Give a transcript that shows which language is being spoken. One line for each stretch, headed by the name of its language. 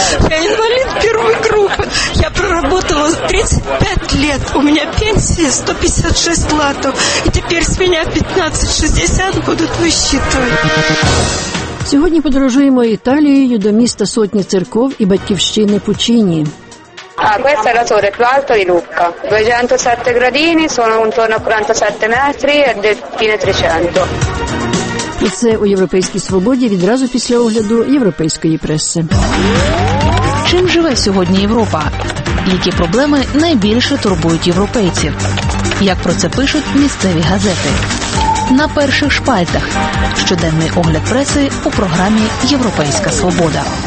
Ukrainian: Я інвалід першої групи.
Russian: Я проработала 35 лет.
Ukrainian: У мене пенсія 156 латов. І тепер з мене 15-60 будуть висчитувати. Сьогодні подорожуємо Італією до міста сотні церков і батьківщини Пучині.
Italian: Ah, questa è la torre più alta di Lucca. 207 gradini, sono intorno a 47 metri e fine 300.
Ukrainian: І це у Європейській Свободі відразу після огляду європейської преси. Чим живе сьогодні Європа? Які проблеми найбільше турбують європейців? Як про це пишуть місцеві газети? На перших шпальтах. Щоденний огляд преси у програмі «Європейська свобода».